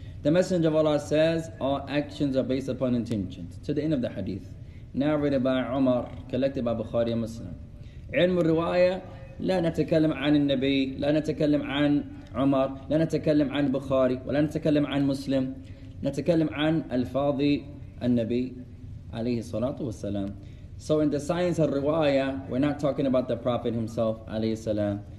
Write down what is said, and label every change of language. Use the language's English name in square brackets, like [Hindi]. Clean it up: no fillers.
[English] The Messenger of Allah says, our actions are based upon intentions. To the end of the hadith. Narrated by Umar, collected by Bukhari and Muslim. [Arabic] علم الرواية لا نتكلم عن النبي لا نتكلم عن عمر لا نتكلم عن بخاري ولا نتكلم عن مسلم نتكلم عن الفاظ النبي عليه الصلاة والسلام. [English] So in the science of riwayah, we're not talking about the Prophet himself, alayhi salam.